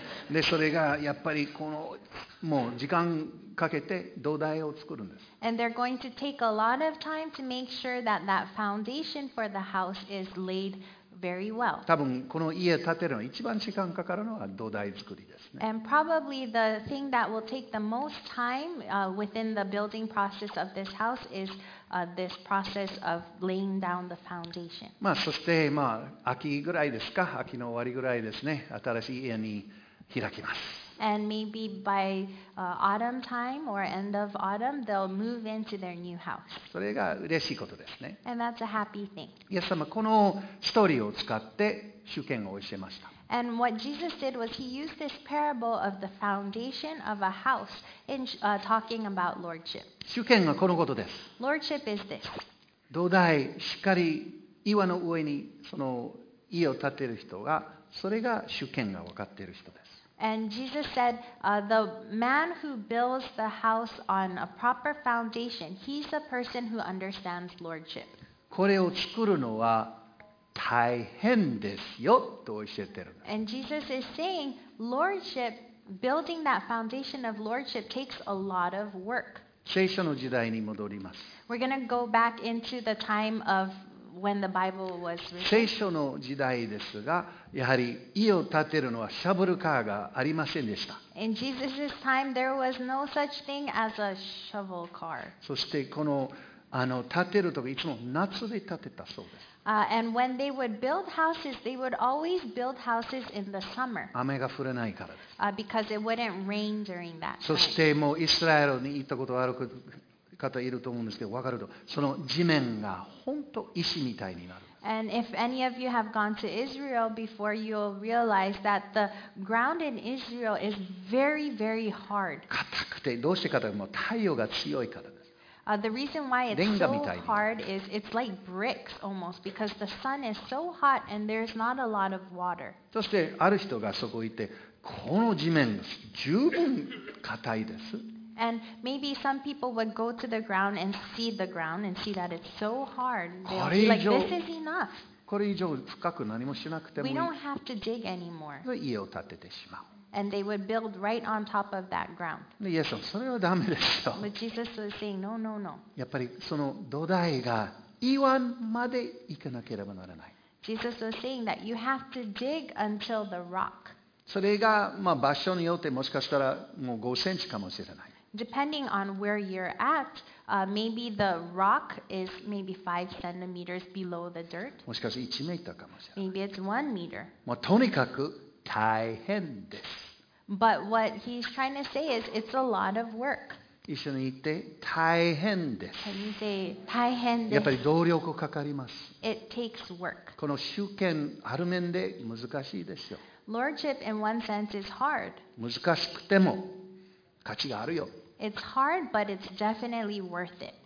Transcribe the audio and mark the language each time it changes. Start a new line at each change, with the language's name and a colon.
Japanese: でそれがやっぱりこのもう時間かけて土台を作るんです。
English: And they're going to take a lot of time to make sure that that foundation for the house is laid very well.
Japanese: 多分この家建てるの一番時間かかるのは土台作りですね。
English: And probably the thing that will take the most time within the building process of this house is this process of laying down the foundation.
Japanese: まあそしてまあ秋ぐらいですか、秋の終わりぐらいですね、新しい家に開きます。
English: And maybe by autumn time or end of autumn, they'll move into their new house.
Japanese: それが嬉しいことですね。
English: And that's a happy thing.
Japanese: イエス様このストーリーを使って主権を教えました。
English: And what Jesus did was he used this parable of the foundation of a house in talking about lordship.
Japanese: 主権がこのことです。
English: Lordship is this.
Japanese: 土台しっかり岩の上にその家を建てる人が、それが主権が分かっている人です。
English: And Jesus said, the man who builds the house on a proper foundation, he's a person who understands lordship.
Japanese: これを作るのは大変ですよと教えてる。
English: And Jesus is saying, lordship, building that foundation of lordship takes a lot of work.
Japanese: 聖書の時代に戻ります。
English: We're going to go back into the time of when the Bible was written.
Japanese: 聖書の時代ですが、やはり家を建てるのはシャブルカーがありませんでした。
English: In Jesus' time, there was no such thing as a shovel car.
Japanese: そしてこの建てるときいつも夏で建てたそうです。
English: And when they would build houses, they would always build houses in the summer.
Japanese: 雨が降らないからです。
English: Because it wouldn't rain during that time.
Japanese: そしてもうイスラエルに行ったことある方いると思うんですけど、分かるとその地面が本当石みたいになる。
English: And if any of you have gone to Israel before, you'll realize that the ground in Israel is very, very hard.
Japanese: 硬くて、どうして硬くて、もう太陽が強いからです。
English: The reason why it's so hard is it's like bricks almost because the sun is so hot and there's not a lot of water.
Japanese: そしてある人がそこにいて、この地面十分硬いです。
English: And maybe some people would go to the ground and see the ground and see that it's so hard. They're like, this is enough.
Japanese: これ以上深く何もしなくてもいい。
English: We don't have to dig anymore.
Japanese: 家を建ててしまう。
English: And they would build right on top of that ground.
Japanese: イエス様、それはダメですよ。
English: But Jesus was saying, no, no, no.
Japanese: やっぱりその土台が岩まで行かなければならない。
English: Jesus was saying that you have to dig until the rock.
Japanese: それがまあ場所によってもしかしたらもう5センチかもしれない。
English: Depending on where you're at, maybe the rock is maybe 5 centimeters below the dirt.
Japanese: もしかして1メートルかもしれない。
English: Maybe it's 1 meter.
Japanese: まあ、とにかく大変です。
English: But what he's trying to say is it's a lot of work.
Japanese: 一緒に言って大変です。
English: Can you say
Japanese: 大変です。やっぱり動力かかります。
English: It takes work.
Japanese: この集権ある面で難しいですよ。
English: Lordship in one sense is hard.
Japanese: 難しくても価値があるよ。
English: It's hard, but it's definitely worth it.